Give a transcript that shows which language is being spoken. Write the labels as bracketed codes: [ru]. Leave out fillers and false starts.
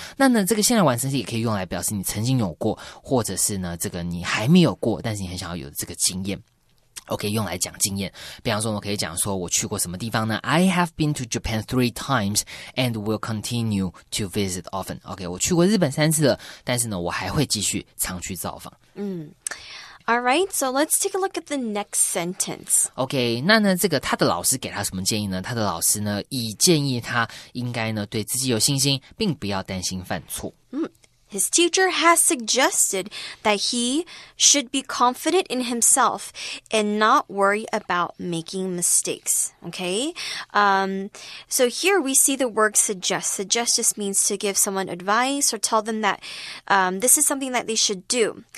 [zh] 那呢，这个现在完成式也可以用来表示你曾经有过，或者是呢这个你还没有过，但是你很想要有这个经验。 OK, 用来讲经验。比方说我可以讲说我去过什么地方呢 ? [en] I have been to Japan 3 times and will continue to visit often. [zh] OK, 我去过日本3次了，但是呢我还会继续常去造访。 [en] Alright, so let's take a look at the next sentence. [zh] Okay, 那呢这个他的老师给他什么建议呢？他的老师呢以建议他应该呢对自己有信心，并不要担心犯错。 [en] His teacher has suggested that he should be confident in himself and not worry about making mistakes. Okay? So here we see the word suggest. Suggest just means to give someone advice or tell them that this is something that they should do.